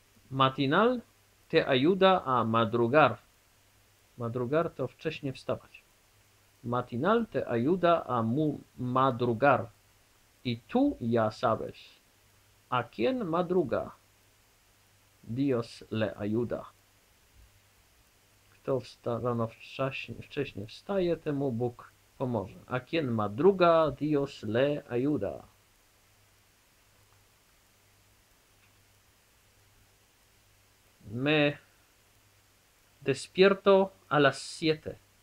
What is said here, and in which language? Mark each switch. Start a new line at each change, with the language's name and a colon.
Spanish: Matinal te ayuda a madrugar.
Polish: Madrugar to wcześnie wstawać.
Spanish: Matinal te ayuda a madrugar. I tu ya sabes. A quien madruga? Dios le ayuda.
Polish: Kto rano wcześnie wstaje, temu Bóg pomoże.
Spanish: A quien madruga, Dios le ayuda. Me despierto a las siete.